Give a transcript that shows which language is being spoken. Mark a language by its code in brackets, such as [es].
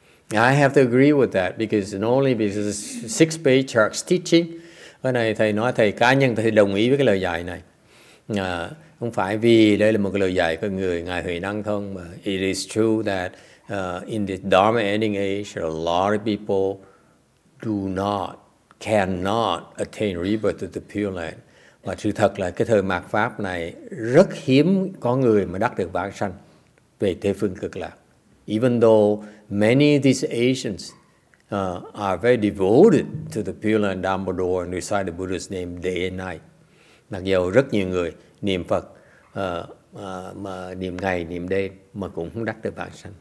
[en] I have to agree with that because not only because six patriarchs teaching. [vi] Cái này thầy nói thầy cá nhân thầy đồng ý với cái lời dạy này. Không phải vì đây là một cái lời dạy của người Ngài Huệ Năng không, mà [en] it is true that in the Dharma ending age, a lot of people do not, cannot attain rebirth to the Pure Land. [vi] Và sự thật là cái thời mạt pháp này rất hiếm có người mà đắc được vãng sanh về Tây Phương Cực Lạc. [en] Even though many of these Asians are very devoted to the Pure Land Dharma Door and recite the Buddha's name day and night. [vi] Mặc dù rất nhiều người niệm Phật mà niệm ngày, niệm đêm mà cũng không đắc được vãng sanh.